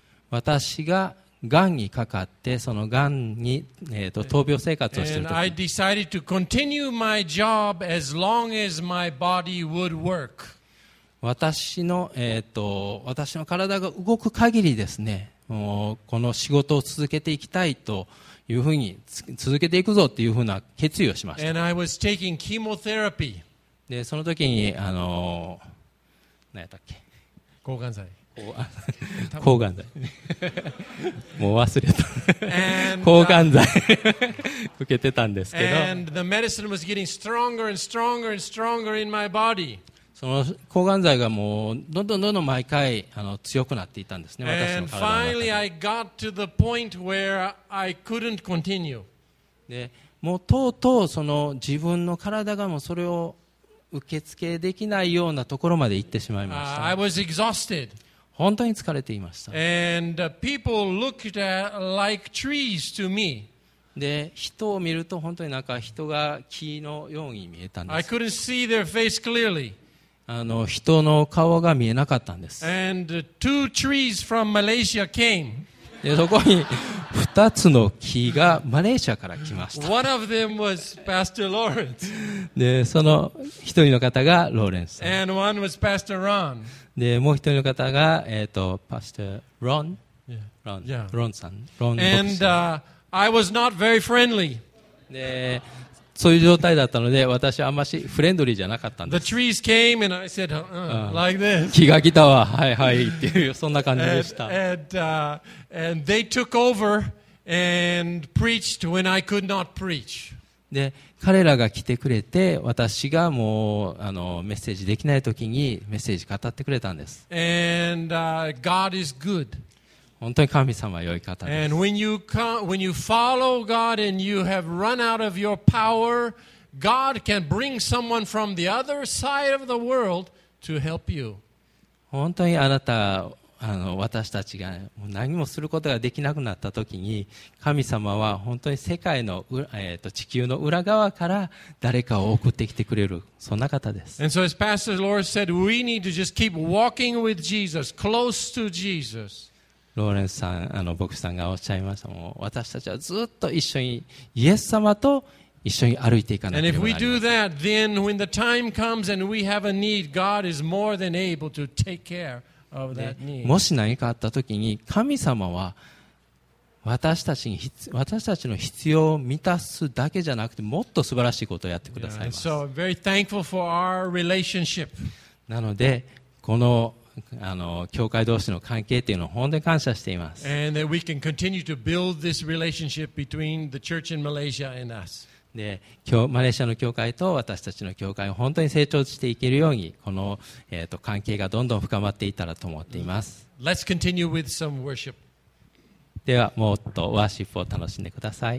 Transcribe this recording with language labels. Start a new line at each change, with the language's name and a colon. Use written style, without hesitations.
Japanese: 私が癌にかかってその癌に、闘病生活をしている時、
English: And I decided to continue my job as long as my body would work.
Japanese: 私の体が動く限りですね、もうこの仕事を続けていきたいというふうに続けていくぞというふうな決意をしました。
English: And I was taking chemotherapy.
Japanese: でその時に何やったっけ抗がん剤抗がん剤もう忘れた抗がん剤受けてたんですけど
English: and the medicine was getting stronger and stronger and stronger in my body.
Japanese: その抗がん剤がもうどんどんどんどん毎回強くなっていたんですね私の体の中で
English: and finally I got to the point where I couldn't continue.
Japanese: でもうとうとうその自分の体がもうそれを受け付けできないようなところまで行ってしまいました。
English: I was exhausted.
Japanese: 本当に疲れていました。
English: And people looked like trees to me.
Japanese: で、人を見ると本当になんか人が木のように見えたんです。
English: I couldn't see their face clearly.
Japanese: 人の顔が見えなかったんです。
English: And two trees from Malaysia came.
Japanese: で、そこに2つの木がマレーシアから来ました。
English: One of them was Pastor Lawrence.
Japanese: で、その一人の方がローレンス。
English: And one was Pastor Ron.
Japanese: で、もう一人の方が、Pastor Ron?
English: Yeah. Ron. Yeah.
Japanese: Ron さん。Ron
English: さん。And I was not very friendly.
Japanese: で、そういう状態だったので、私はあんましフレンドリーじゃなかったんです。
English: The trees came and I said, like this.
Japanese: 木が来たわ、はいはいっていう、そんな感じでした。
English: And they took over and preached when I could not preach.
Japanese: で、彼らが来てくれて、私がもうメッセージできないときにメッセージ語ってくれたんです。
English: And God is good.
Japanese: 本当に神様は良い方です。
English: And when you follow God and you have run out of your power, God can bring someone from the other side of the world to help you.
Japanese: 本当にあなた私たちが何もすることができなくなったときに神様は本当に世界の、地球の裏側から誰かを送ってきてくれるそんな方です。
English: And so as Pastor Lawrence said, we need to just keep walking with Jesus, close to Jesus.
Japanese: ローレンスさん、牧師さんがおっしゃいました。もう私たちはずっと一緒にイエス様と一緒に歩いていかなければなりません。
English: And if we do that, then when the time comes and we have a need, God is more than able to take care
Japanese: もし何かあったときに神様は私たちの必要を満たすだけじゃなくてもっと素晴らしいことをやってくださいます。
English: Yeah, so very thankful for our relationship.
Japanese: なのでこの教会同士の関係というのを本当に感謝しています。
English: And that we can continue to build this relationship between the church in Malaysia and us.
Japanese: で、マレーシアの教会と私たちの教会を本当に成長していけるようにこの、関係がどんどん深まっていたらと思っています。
English: Let's continue with some worship.
Japanese: ではもっとワーシップを楽しんでください。